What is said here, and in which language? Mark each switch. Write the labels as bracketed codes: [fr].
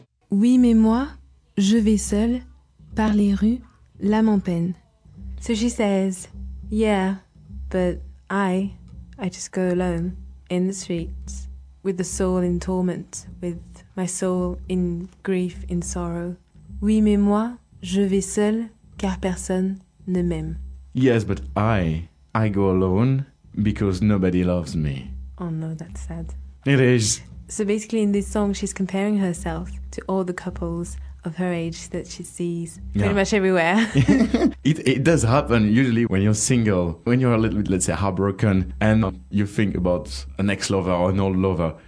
[fr] Oui, mais moi, je vais seule, par les rues, l'âme en peine. [en] So she says, yeah, but I just go alone, in the streets, with the soul in torment, with my soul in grief, in sorrow. [fr] Oui, mais moi, je vais seule, car personne ne m'aime. [en] Yes, but I go alone, because nobody loves me. Oh no, that's sad. It is. So basically in this song, she's comparing herself to all the couples of her age that she sees pretty yeah. much everywhere. It does happen usually when you're single, when you're a little bit, let's say, heartbroken and you think about an ex-lover or an old lover.